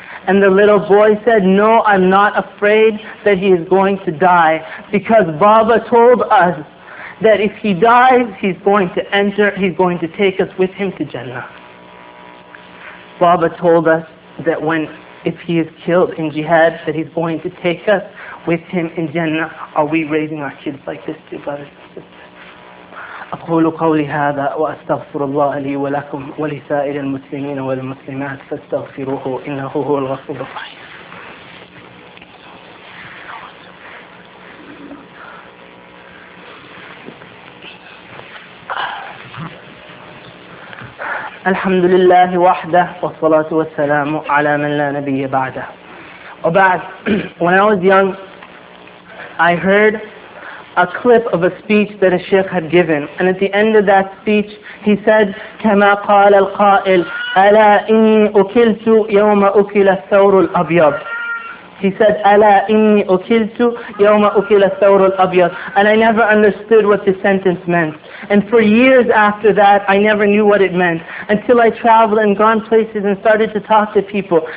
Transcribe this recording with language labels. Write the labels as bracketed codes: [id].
[en] And the little boy said, No, I'm not afraid that he is going to die because Baba told us that if he dies, he's going to take us with him to Jannah. Baba told us that if he is killed in jihad, that he's going to take us with him in Jannah. Are we raising our kids like this, dear brothers and sisters? [ar] أقول قولي هذا وأستغفر الله لي ولكم ولسائر المسلمين والمسلمات فاستغفروه إنه هو الغفور الرحيم الحمد لله وحده والصلاة والسلام على من لا نبي بعده وبعد [en] When I was young I heard a clip of a speech that a sheikh had given. And at the end of that speech, he said, [ar] كَمَا قَالَ الْقَائِلُ أَلَا إِنِّي أُكِلْتُ يَوْمَ أُكِلَ الثَّوْرُ الْأَبْيَضُ [en] He said, [ar] أَلَا إِنِّي أُكِلْتُ يَوْمَ أُكِلَ الثَّوْرُ الْأَبْيَضُ [en] And I never understood what this sentence meant. And for years after that, I never knew what it meant. Until I traveled and gone places and started to talk to people.